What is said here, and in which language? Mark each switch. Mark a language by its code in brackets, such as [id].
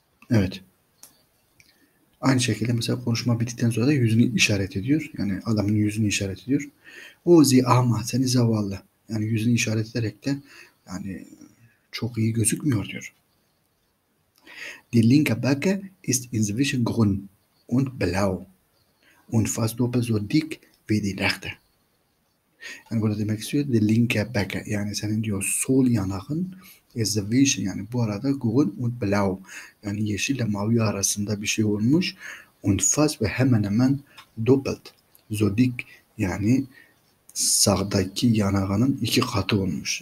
[tr] Evet. Aynı şekilde mesela konuşma bittikten sonra da yüzünü işaret ediyor. Yani adamın yüzünü işaret ediyor. O zi ama seni zavallı. Yani yüzünü işaret ederek de yani çok iyi gözükmüyor diyor. [de] Die linke Backe ist inzwischen grün und blau und fast doppelt so dick wie die rechte. [tr] Yani burada demek istiyor. [de] Die linke Backe, [tr] yani senin diyor sol yanağın [de] inzwischen, [tr] yani bu arada [de] grün und blau, [tr] yani yeşil ile mavi arasında bir şey olmuş. [de] Und fast [tr] ve hemen hemen [de] doppelt so dick, [tr] yani sağdaki yanağının iki katı olmuş.